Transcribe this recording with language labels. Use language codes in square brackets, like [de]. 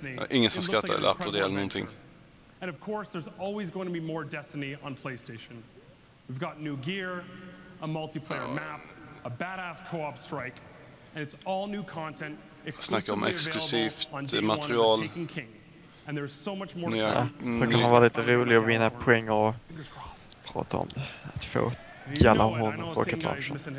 [sv] Ingen som skrattar eller applåderar eller någonting. [en] And of course there's always going to be more Destiny on PlayStation. We've got new gear, a multiplayer map, a badass co-op strike, and it's all new content, [sv] exclusivt material. [en] And there's so much more to come. [sv] Så kan man vara lite rolig och vinna poäng och prata om det. Att få gärna hon och Rocket Launcher.